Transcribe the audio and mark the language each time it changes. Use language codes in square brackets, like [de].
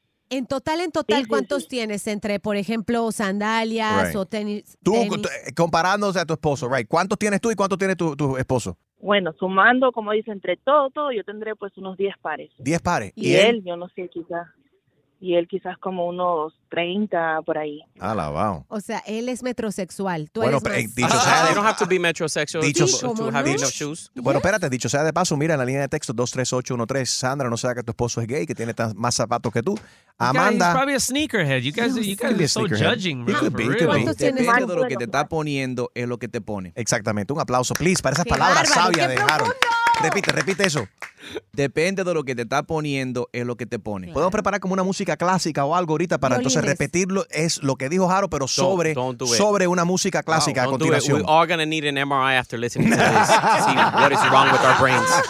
[es] En total, sí, ¿cuántos tienes entre, por ejemplo, sandalias o tenis? Tú, comparándose a tu esposo, right, ¿cuántos tienes tú y cuántos tiene tu esposo? Bueno, sumando, como dice, entre todo, yo tendré pues unos 10 pares. ¿10 pares? ¿Y él? Yo no sé, quizás como unos 30 por ahí. Alabao. O sea, él es metrosexual. Tú bueno, eres más... dicho sea de... [en] You don't have to be metrosexual to have enough shoes. Yeah. [es] Bueno, espérate, dicho sea de paso, mira en la línea de texto 23813. Sandra, no sea que tu esposo es gay, que tiene más zapatos que tú. Amanda. [en] He's probably a sneakerhead. You guys are so judging, man. [es] Depende de lo que te está poniendo, es lo que te pone. Exactamente. Un aplauso, please, para esas palabras sabias de Harold. Repite eso. Depende de lo que te está poniendo, es lo que te pone. Claro. Podemos preparar como una música clásica o algo ahorita para entonces repetirlo. Es lo que dijo Haro, pero sobre una música clásica a continuación. [en] We're all going to need an MRI after listening to this to see what is wrong with our brains.